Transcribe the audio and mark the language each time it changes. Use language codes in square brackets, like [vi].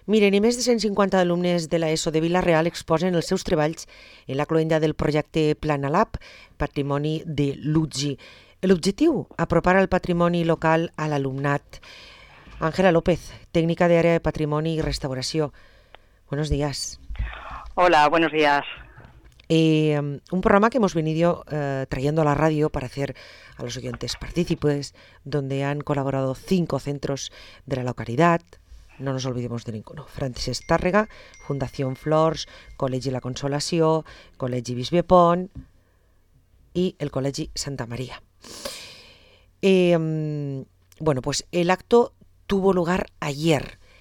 [ca] Miren, i més de 150 alumnes de l'ESO de Vila-real exposen els seus treballs en la cloenda del projecte Planalab, patrimoni de l'UGI. L'objectiu, apropar el patrimoni local a l'alumnat. Àngela López, tècnica d'àrea de patrimoni i restauració. [es] Buenos días. Hola, buenos días. Un programa que hemos venido trayendo a la radio para hacer a los oyentes partícipes, donde han colaborado 5 centros de la localidad. No nos olvidemos de ninguno. Francesc Tàrrega, Fundación Flors, Col·legi La Consolació, Col·legi Bisbe Pont y el Col·legi Santa María. Bueno, pues el acto tuvo lugar ayer.